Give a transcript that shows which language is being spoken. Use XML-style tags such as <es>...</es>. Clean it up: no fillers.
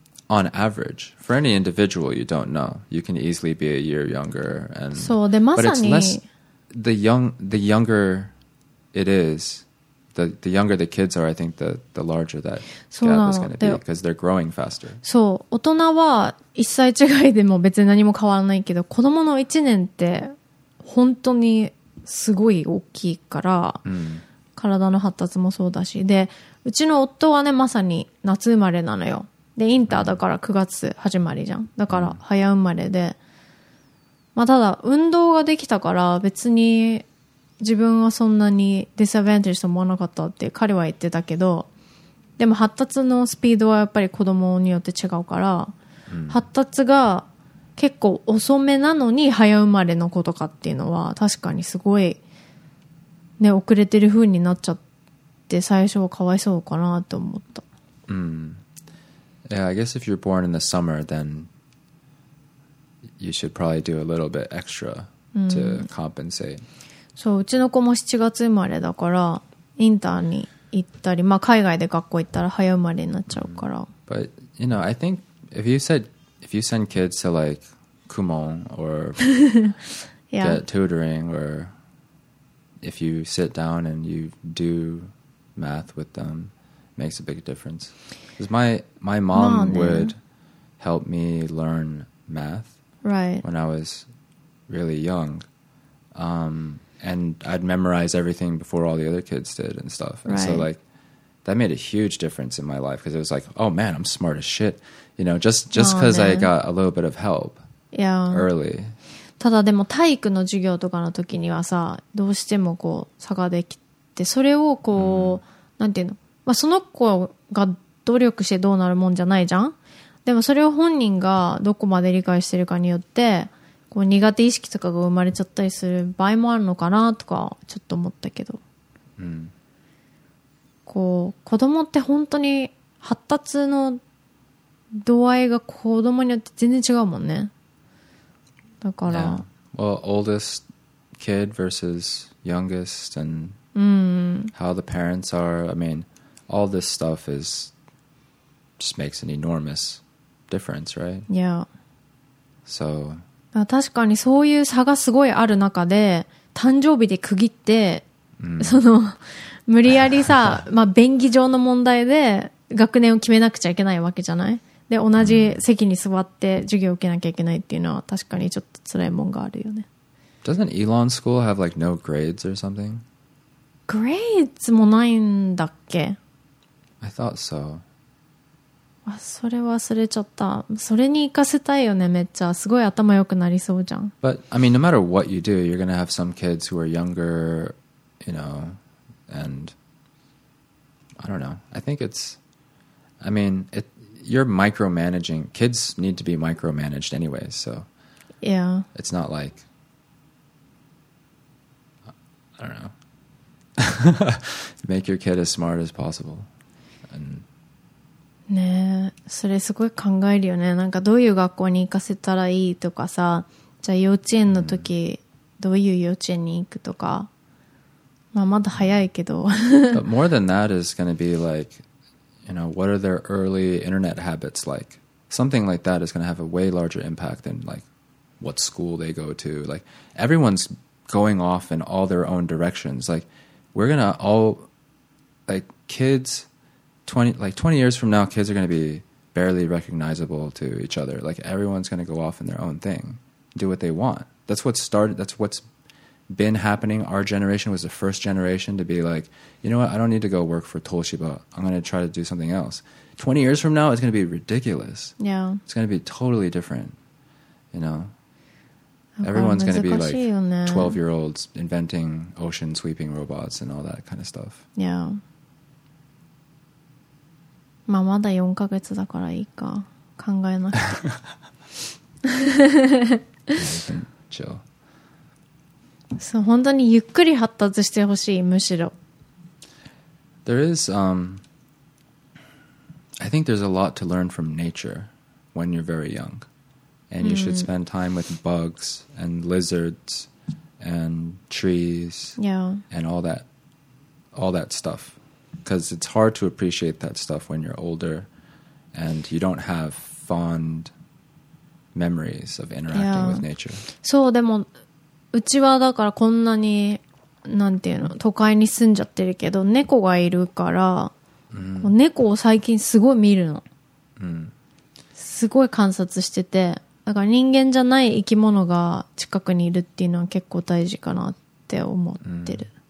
<en>On average, for any individual, you don't know. You can easily be a year younger, and</en> <ja>そうで、まさに、</ja> <en>but it's less the younger it is, the younger the kids are. I think the larger that gap is going to be because they're growing faster.</en> <ja>そう、大人は1歳違いでも別に何も変わらないけど、子どもの1年って本当にすごい大きいから、体の発達もそうだし、でうちの夫はね、まさに夏生まれなのよ。でインターだから9月始まりじゃん。だから早生まれで、まあただ運動ができたから別に自分はそんなにディスアベンテージと思わなかったって彼は言ってたけど、でも発達のスピードはやっぱり子供によって違うから、発達が結構遅めなのに早生まれの子とかっていうのは確かにすごいね、遅れてる風になっちゃって最初はかわいそうかなって思った。</ja> <en>Yeah, I guess if you're born in the summer, then you should probably do a little bit extra to compensate.</en> <ja>そう、うちの子も7月生まれだから、インターに、行ったり、まあ、海外で学校行ったら早生まれになっちゃうから、mm.</ja> <en>But you know, I think if you said if you send kids to like Kumon or yeah. get tutoring or if you sit down and you do math with them, makes a big difference. Because my mom would help me learn math right. when I was really young. And I'd memorize everything before all the other kids did and stuff. And right. so like that made a huge difference in my life because it was like, oh man, I'm smart as shit. You know, just because I got a little bit of help yeah. early.</en> <ja>ただでも体育の授業とかの時にはさどうしてもこう差ができてそれをこう、うん、なんていうの、まあ、その子が努力してどうなるもんじゃないじゃんでもそれを本人がどこまで理解してるかによってこう苦手意識とかが生まれちゃったりする場合もあるのかなとかちょっと思ったけど、うん、こう子供って本当に発達の度合いが子供によって全然違うもんね</ja> <en>Yeah. Well, oldest kid versus youngest and how the parents are. I mean, all this stuff is just makes an enormous difference, right? Yeah. So.</en> <ja>確かにそういう差がすごいある中で誕生日で区切って、その無理やりさ、まあ便宜上の問題で学年を決めなくちゃいけないわけじゃない? で同じ席に座って授業を受けなきゃいけないっていうのは確かにちょっと辛いもんがあるよね。</ja> <en>Doesn't Elon School have like no grades or something?</en> <ja>Grades もないんだっけ?</ja> <en>I thought so.</en> <ja>あ、それ忘れちゃった。それに行かせたいよね、めっちゃ。すごい頭良くなりそうじゃん。</ja> <en>But I mean, no matter what you do, you're gonna have some kids who are younger, you know, and I don't know. I think it's, I mean, it. You're micromanaging. Kids need to be micromanaged anyway, so... Yeah. It's not like... I don't know. Make your kid as smart as possible. And...</en> <ja>ねえ、それすごい考えるよね。なんかどういう学校に行かせたらいいとかさ、じゃあ幼稚園の時、mm-hmm. どういう幼稚園に行くとか。まあまだ早いけど。</ja> <en>But more than that is going to be like... You know, what are their early internet habits like? Something like that is going to have a way larger impact than like what school they go to. Like everyone's going off in all their own directions. Like we're going to all, like kids, 20 years from now, kids are going to be barely recognizable to each other. Like everyone's going to go off in their own thing, do what they want. That's what started, that's what's been happening. Our generation was the first generation to be like, you know what, I don't need to go work for Toshiba. I'm going to try to do something else. 20 years from now, it's going to be ridiculous. Yeah. It's going to be totally different, you know? Everyone's going to be like 12-year-olds inventing ocean sweeping robots and all that kind of stuff. Yeah.</en> <ja>まあまだ4ヶ月だからいいか。考えなくて。</ja> <en>Chill.</en> <ja>そう本当にゆっくり発達してほしいむしろ</ja> <en>There is I think there's a lot to learn from nature when you're very young and you should spend time with bugs and lizards and trees and all that stuff because it's hard to appreciate that stuff when you're older and you don't have fond memories of interacting with nature</en> <ja>そうでもうちはだからこんなに、なんていうの、都会に住んじゃってるけど、猫がいるから、うん、猫を最近すごい見るの、うん。すごい観察してて、だから人間じゃない生き物が近くにいるっていうのは結構大事かなって思ってる。</ja>